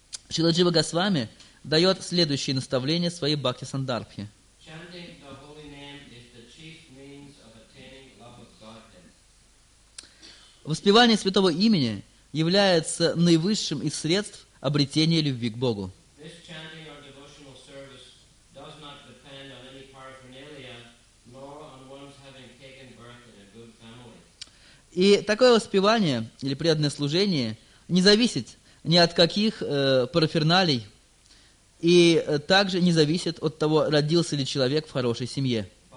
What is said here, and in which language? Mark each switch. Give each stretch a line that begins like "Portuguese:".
Russian: Шрила Джива Госвами дает следующие наставления своей Бхакти Сандарбхе.
English: Chanting the holy name is the chief means of attaining love of Godhead.
Russian: Воспевание святого имени является наивысшим из средств обретения любви к Богу.
English: This chanting or devotional service does not depend on any paraphernalia, nor on one's having taken birth in a good family.
Russian: И такое воспевание или преданное служение не зависит ни от каких параферналий и также не зависит от того, родился ли человек в хорошей семье.